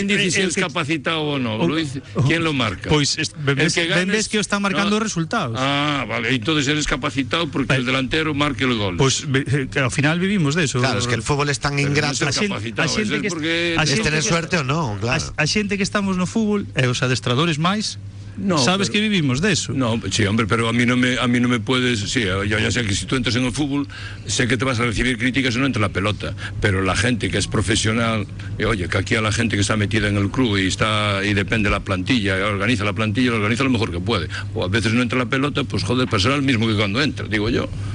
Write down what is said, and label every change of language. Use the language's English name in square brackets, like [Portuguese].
[Galician] quen dice se é capacitado ou non, quen lo marca? Pois ben ves que o están marcando os resultados. Ah, vale, [Spanish] entonces eres [Galician] capacitado porque o delantero marque o gol. Pois ao final vivimos deso. Claro, é que o fútbol é tan ingrato. Porque [Spanish] es tener suerte o no, claro. [Galician] A xente que estamos no fútbol, e os adestradores máis, no, sabes, pero que vivimos deso. [Spanish] No, sí, hombre, pero a mí no me puedes, sí, yo ya sé que si tú entras en el fútbol, sé que te vas a recibir críticas no entre la pelota, pero la gente que es profesional, y oye, que aquí a la gente que está metida en el club y está y depende de la plantilla, organiza la plantilla, lo organiza lo mejor que puede. O a veces no entra la pelota, pues joder, pues será el mismo que cuando entra, digo yo.